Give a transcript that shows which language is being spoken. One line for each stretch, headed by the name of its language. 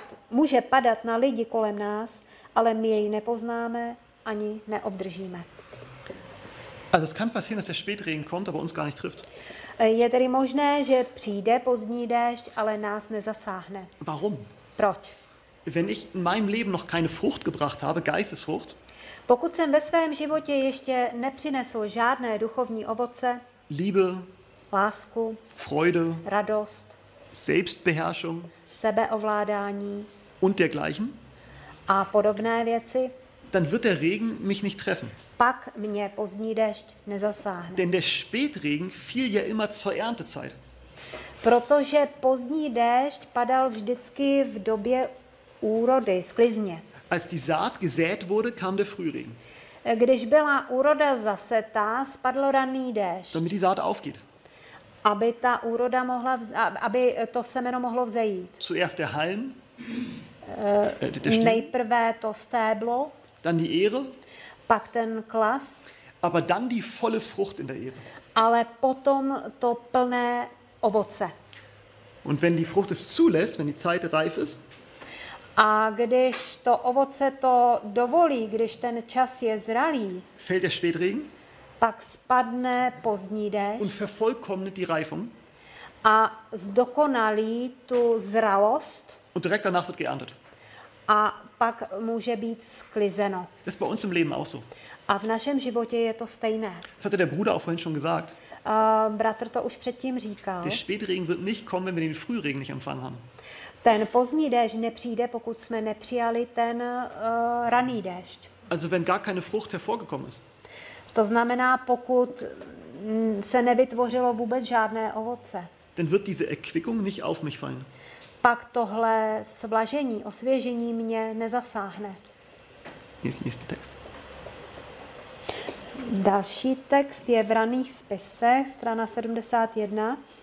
Czech: Může padat na lidi kolem nás, ale my jej nepoznáme ani neobdržíme.
German: Also es kann passieren, dass der Spätregen kommt, aber uns gar nicht trifft.
Czech: Je tedy možné, že přijde pozdní déšť, ale nás nezasáhne.
German: Warum?
Czech: Proč?
German: Wenn ich in meinem Leben noch keine Frucht gebracht habe, Geistesfrucht.
Czech: Pokud jsem ve svém životě ještě nepřinesl žádné duchovní ovoce.
German: Liebe.
Czech: Lásku.
German: Freude.
Czech: Radost.
German: Selbstbeherrschung.
Czech: Sebeovládání.
German: Und dergleichen.
Czech: A podobné věci.
German: Dann wird der Regen mich nicht treffen.
Czech: Pak mě pozdní déšť nezasáhne.
German: Denn der Spätregen fiel ja immer zur Erntezeit.
Czech: Protože pozdní déšť padal vždycky v době úrody, sklizně.
German: Als die Saat gesät wurde, kam der Frühregen.
Czech: Když byla úroda zasetá, spadl ranný déšť.
German: Damit die Saat aufgeht.
Czech: Aby ta úroda mohla aby to semeno mohlo vzejít.
German: Zuerst der Halm.
Czech: Nejprve to stéblo.
German: Dann die Ehre.
Czech: Pak ten klas.
German: Aber dann die volle Frucht in der Ehre.
Czech: Ale potom to plné ovoce.
German: Und wenn die Frucht es zulässt, wenn die Zeit reif ist.
Czech: A když to ovoce to dovolí, když ten čas je zralý.
German: Fällt der Spätregen.
Czech: Pak spadne pozdní déšť.
German: Und vervollkommnet die Reifung.
Czech: A zdokonalí tu zralost.
German: Und direkt danach wird geerntet.
Czech: A pak může být sklizeno.
German: Das ist bei uns im Leben auch so.
Czech: A v našem životě je to stejné.
German: Das hatte der Bruder auch vorhin schon gesagt.
Czech: Bratr to už předtím říkal.
German: Der Spätregen wird nicht kommen, wenn wir den Frühregen nicht empfangen haben.
Czech: Ten pozdní déšť nepřijde, pokud jsme nepřijali ten ranný déšť.
German: Also wenn gar keine Frucht hervorgekommen ist.
Czech: To znamená, pokud se nevytvořilo vůbec žádné ovoce.
German: Dann wird diese Erquickung nicht auf mich fallen.
Czech: Pak tohle svlažení, osvěžení mě nezasáhne.
German: Nächster Text.
Czech: Další text je v raných spisech, strana 71.